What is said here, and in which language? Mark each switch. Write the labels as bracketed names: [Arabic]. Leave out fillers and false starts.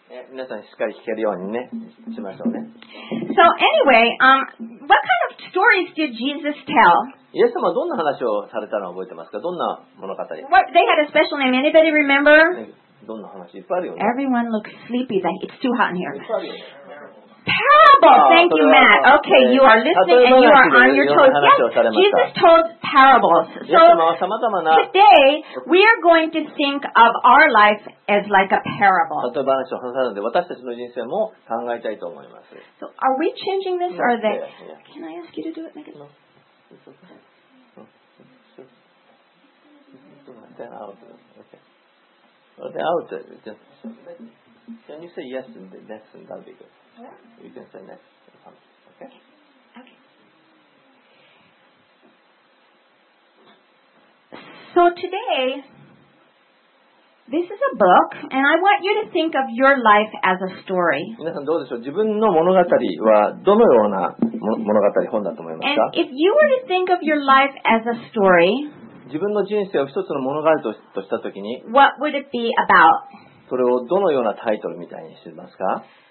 [Japanese] 皆さんしっかり聞けるようにね、しましょうね。 [English] So, anyway, what kind of stories did Jesus tell? [Japanese] イエス様はどんな話をされたのを覚えてますか?どんな物語? [English] What, they had a special name. Anybody remember? [Japanese] どんな話?いっぱいあるよね。 [English] Everyone looks sleepy. It's too hot in here. [Japanese] いっぱいあるよね。 [English] Parable! Thank you, Matt. Okay, you are listening and you are on your toes. Yes, Jesus told parables. So, today, we are going to think of our life as like a parable. So, are we changing this or are they? Can I ask you to do it? Make it... Out. Okay. Well, the out. Just, can you say yes and next? And that'll be good. Yeah. You can say next. Okay. Okay. So today, this is a book, and I want you to think of your life as a story. [Japanese] 皆さんどうでしょう。自分の物語はどのような物語本だと思いますか? [English] And if you were to think of your life as a story, [Japanese] 自分の人生を一つの物語とした時に、 [English] what would it be about? [Japanese] それをどのようなタイトルみたいにしますか?